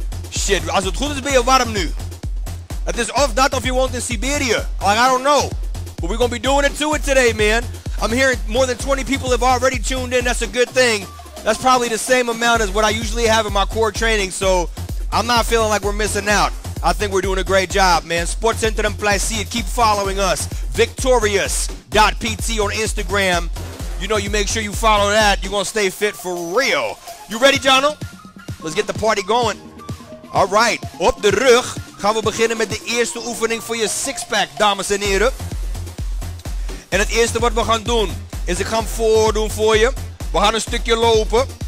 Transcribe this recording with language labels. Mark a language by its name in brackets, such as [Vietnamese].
[Dutch] Shit, als het goed is ben je warm nu. Het is of dat of je woont in Siberië. [English] Like, I don't know. But we're gonna be doing it to it today, man. I'm hearing more than 20 people have already tuned in. That's a good thing. That's probably the same amount as what I usually have in my core training. So I'm not feeling like we're missing out. I think we're doing a great job, man. Sportcenter en Plessier, keep following us. Victorious.pt on Instagram. You know, you make sure you follow that. You're gonna stay fit for real. You ready, Jono? Let's get the party going. All right, [Dutch] op de rug gaan we beginnen met de eerste oefening voor je six-pack, dames en heren. En het eerste wat we gaan doen, is ik ga hem voordoen voor je. We gaan een stukje lopen.